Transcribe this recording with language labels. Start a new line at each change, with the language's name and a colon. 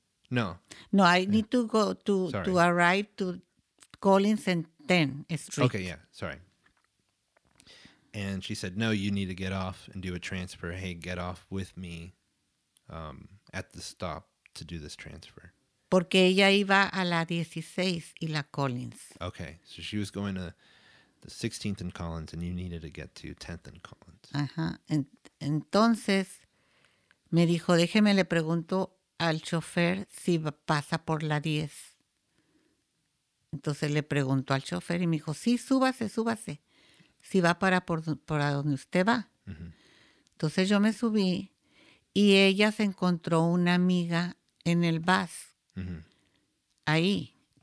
English: No. No, I need to go to arrive to Collins and 10th Street. Okay, yeah, sorry. And she said, no, you need to get off and do a transfer. Hey, get off with me at the stop to do this transfer.
Spanish: Porque ella iba a la 16 y la Collins.
English: Okay, so she was going to the 16th and Collins, and you needed to get to 10th and Collins. Ajá.
Spanish: Entonces, me dijo, déjeme le pregunto al chofer si pasa por la 10. Entonces le pregunto al chofer y me dijo, sí, súbase. Si va para donde usted va. Mm-hmm. Entonces yo me subí y ella se encontró una amiga en el bus. Mm-hmm. Ahí.